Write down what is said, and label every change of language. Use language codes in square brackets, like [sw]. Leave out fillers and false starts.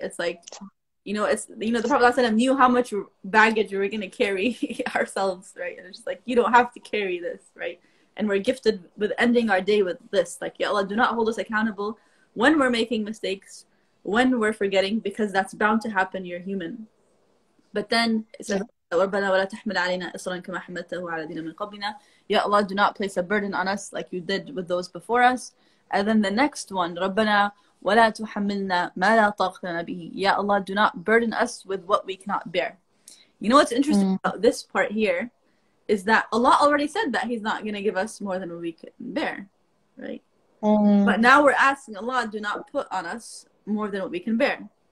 [en] It's like, the Prophet knew how much baggage we were going to carry ourselves, right? And it's just like, you don't have to carry this, right? And we're gifted with ending our day with this. Like, Ya Allah, do not hold us accountable when we're making mistakes, when we're forgetting, because that's bound to happen. You're human. But then it says, [ar] وَرَبَّنَا وَلَا تَحْمِلْ عَلَيْنَا إِصْرًا كَمَا حَمَلْتَهُ عَلَى الَّذِينَ مِنْ قَبْلِنَا. [en] Ya Allah, do not place a burden on us like you did with those before us. And then the next one, [ar] رَبَّنَا وَلَا تُحَمِّلْنَا مَا لَا طَاقَةَ لَنَا بِهِ. [en] Ya Allah, do not burden us with what we cannot bear. You know what's interesting about this part here is that Allah already said that He's not going to give us more than we can bear, right? But now we're asking Allah, do not put on us more than what we can bear.